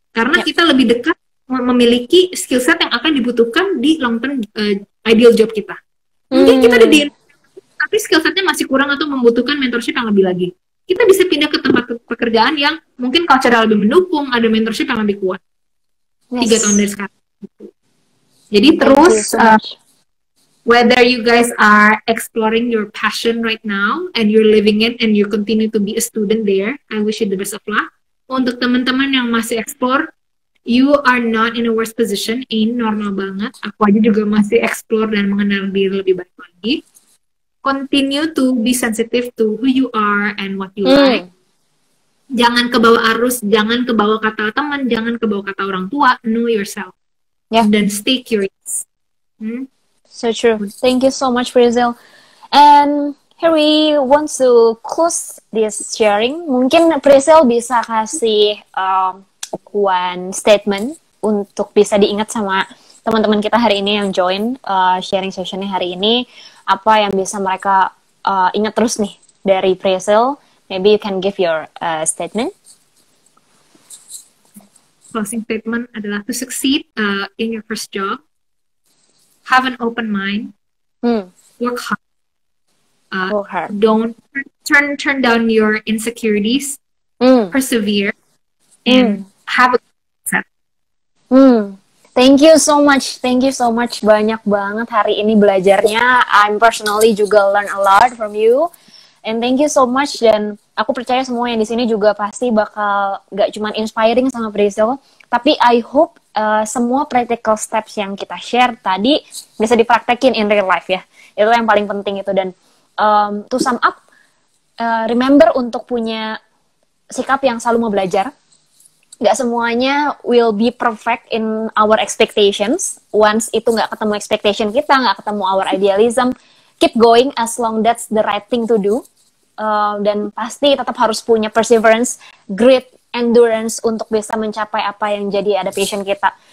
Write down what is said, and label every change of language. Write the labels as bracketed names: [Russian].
[Indonesian] Karena kita lebih dekat memiliki skill set yang akan dibutuhkan di long-term ideal job kita. Mungkin kita ada di industri, tapi skill setnya masih kurang atau membutuhkan mentorship yang lebih lagi. Kita bisa pindah ke tempat pekerjaan yang mungkin culture lebih mendukung, ada mentorship yang lebih kuat. 3 tahun dari sekarang. Jadi terus, [English] whether you guys are exploring your passion right now and you're living it and you continue to be a student there, I wish you the best of luck. [Indonesian] Untuk teman-teman yang masih explore, [English] you are not in a worse position. [Indonesian] Ini normal banget. Aku aja juga masih explore dan mengenal diri lebih baik lagi. [English] Continue to be sensitive to who you are and what you like. [Indonesian] Jangan kebawa arus, jangan kebawa kata teman, jangan kebawa kata orang tua. [English] Know yourself. [Indonesian] Dan stay curious. [English] So true. Thank you so much, Brazil. And Harry wants to close this sharing. [Indonesian] Mungkin Priscil bisa kasih one statement untuk bisa diingat sama teman-teman kita hari ini yang join sharing sessionnya hari ini. Apa yang bisa mereka ingat terus nih dari Priscil? [English] Maybe you can give your statement. Closing statement adalah to succeed in your first job, have an open mind, work hard. Don't turn down your insecurities. Persevere and have a good time. Thank you so much. Thank you so much. [Indonesian] Banyak banget hari ini belajarnya. [English] I'm personally juga learn a lot from you. And thank you so much. [Indonesian] Dan aku percaya semua yang di sini juga pasti bakal gak cuma inspiring sama Priscil, tapi I hope semua practical steps yang kita share tadi bisa dipraktekin in real life ya. Itu yang paling penting itu. Dan to sum up, remember untuk punya sikap yang selalu mau belajar. Gak semuanya [English] will be perfect in our expectations. Once [Indonesian] itu gak ketemu expectation kita, gak ketemu [English] our idealism, keep going as long that's the right thing to do. [Indonesian] Dan pasti tetap harus punya perseverance, grit, endurance untuk bisa mencapai apa yang jadi ada passion kita.